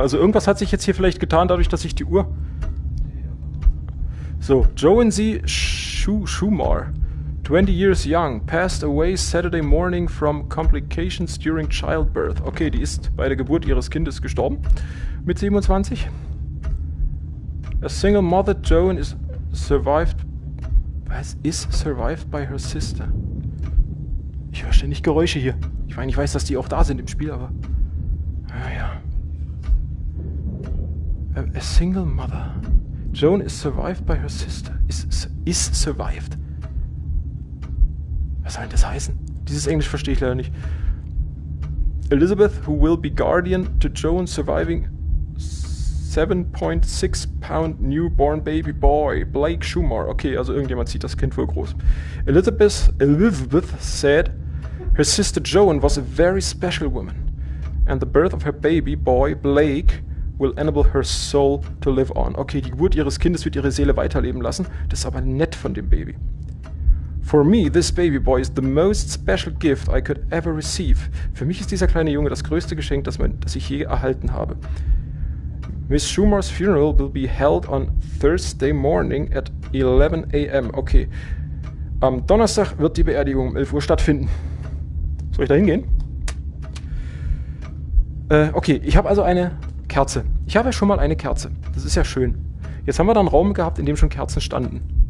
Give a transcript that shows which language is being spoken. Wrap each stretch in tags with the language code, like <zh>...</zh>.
<de>Also irgendwas hat sich jetzt hier vielleicht getan, dadurch, dass ich die Uhr.</de> <en>So, Joan Z. Schumar, 20 years young, passed away Saturday morning from complications during childbirth.</en> <de>Okay, die ist bei der Geburt ihres Kindes gestorben. Mit 27.</de> <en>A single mother, Joan, is Survived.</en> <de>Was ist</de> <en>survived by her sister?</en> <de>Ich höre ständig Geräusche hier. Ich meine, ich weiß, dass die auch da sind im Spiel, aber. Naja.</de> <en>A single mother. Joan is survived by her sister. Is survived.</en> <de>Was soll denn das heißen? Dieses Englisch verstehe ich leider nicht.</de> <en>Elizabeth, who will be guardian to Joan surviving 7.6 pound newborn baby boy, Blake Schumacher.</en> <de>Okay, also irgendjemand sieht das Kind wohl groß.</de> <en>Elizabeth said her sister Joan was a very special woman and the birth of her baby boy, Blake, will enable her soul to live on.</en> <de>Okay, die Geburt ihres Kindes wird ihre Seele weiterleben lassen. Das ist aber nett von dem Baby.</de> <en>For me, this baby boy is the most special gift I could ever receive.</en> <de>Für mich ist dieser kleine Junge das größte Geschenk, das ich je erhalten habe.</de> <en>Miss Schumacher's funeral will be held on Thursday morning at 11 a.m.</en> <de>Okay, am Donnerstag wird die Beerdigung um 11 Uhr stattfinden. Soll ich da hingehen? Okay, ich habe also eine Kerze. Ich habe ja schon mal eine Kerze. Das ist ja schön. Jetzt haben wir da einen Raum gehabt, in dem schon Kerzen standen.</de>